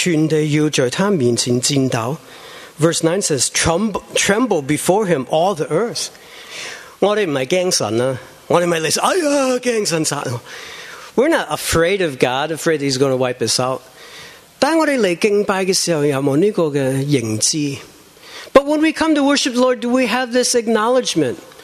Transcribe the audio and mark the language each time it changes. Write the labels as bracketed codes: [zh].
[zh] 第九节说，全地要在他面前颤抖。 [en] Verse 9 says, tremble before him all the earth. [zh] 我们不是怕神，我们不是说，哎呀，怕神杀我。 [en] We're not afraid of God, afraid he's going to wipe us out. [zh] 但我们来敬拜的时候，有没有这个认知？ [en] But when we come to worship the Lord, do we have this acknowledgement?